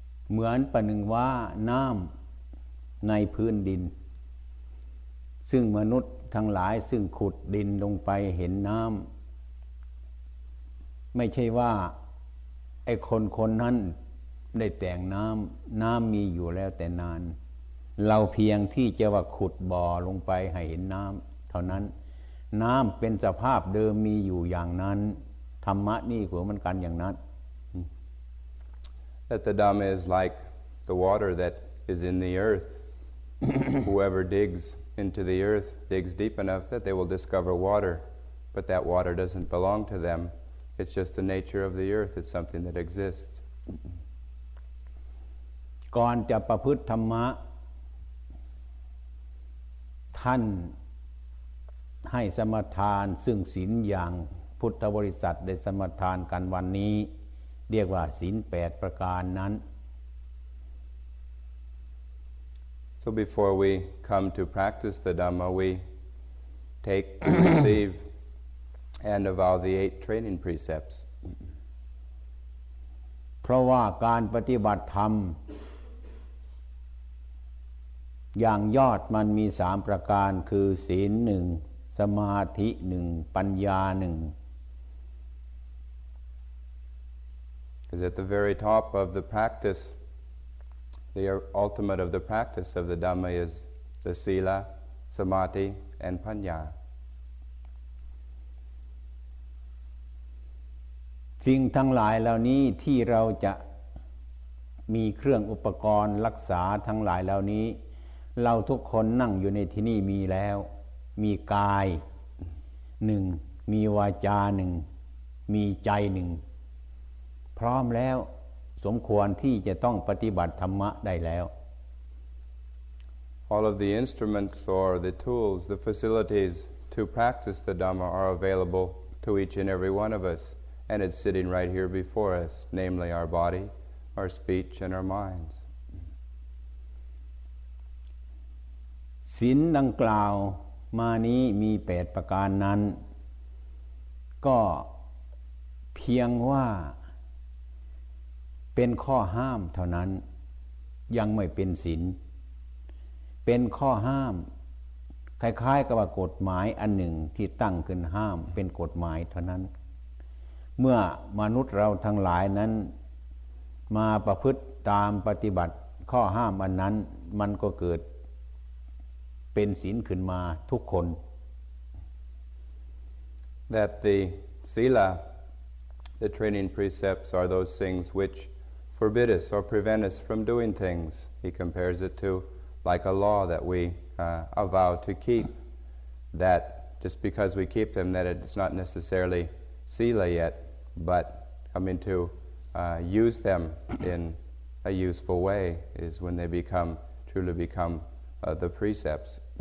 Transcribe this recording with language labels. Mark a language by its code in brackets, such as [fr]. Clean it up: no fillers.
[th] เหมือนประหนึ่งว่าน้ำในพื้นดินซึ่งมนุษย์ทั้งหลายซึ่งขุดดินลงไปเห็นน้ำไม่ใช่ว่าไอ้คนคนนั้นได้แต่งน้ำน้ำมีอยู่แล้วแต่นานเราเพียงที่จะว่าขุดบ่อลงไปให้เห็นน้ำเท่านั้นน้ำเป็นสภาพเดิมมีอยู่อย่างนั้นธรรมะนี่เหมือนกันอย่างนั้น [en] That the Dhamma is like the water that is in the earth. Whoever digs into the earth digs deep enough that they will discover water, but that water doesn't belong to them. It's just the nature of the earth. It's something that exists. [th] ก่อนจะประพฤติธรรมะท่านให้สมาทานซึ่งศีลอย่างพุทธบริษัทได้สมาทานกันวันนี้เรียกว่าศีล8ประการนั้น [en] So before we come to practice the Dhamma we take receive and avow the 8 training precepts [th] เพราะว่าการปฏิบัติธรรมอย่างยอดมันมี3ประการคือศีล1สมาธิ1ปัญญา1 [en] Because at the very top of the practice, the ultimate of the practice of the Dhamma is the Sila, Samadhi, and Panya. [th] สิ่งทั้งหลายเหล่านี้ที่เราจะมีเครื่องอุปกรณ์รักษาทั้งหลายเหล่านี้เราทุกคนนั่งอยู่ในที่นี่มีแล้วมีกาย1มีวาจา1มีใจ1พร้อมแล้วสมควรที่จะต้องปฏิบัติธรรมะได้แล้ว [en] All of the instruments or the tools, the facilities to practice the Dhamma are available to each and every one of us, and it's sitting right here before us, namely our body, our speech, and our minds. [th] ศีลดังกล่าวมานี้มี8ประการนั้นก็เพียงว่าเป็นข้อห้ามเท่านั้นยังไม่เป็นศีล เป็นข้อห้ามคล้ายๆกับกฎหมายอันหนึ่งที่ตั้งขึ้นห้ามเป็นกฎหมายเท่านั้นเมื่อมนุษย์เราทั้งหลายนั้นมาประพฤติตามปฏิบัติข้อห้ามอันนั้นมันก็เกิดเป็นศีลขึ้นมาทุกคน [en] That the Sila the training precepts are those things whichForbid us or prevent us from doing things. He compares it to like a law that we avow to keep. That just because we keep them, that it's not necessarily sila yet, but coming to use them in a useful way is when they become truly become the precepts.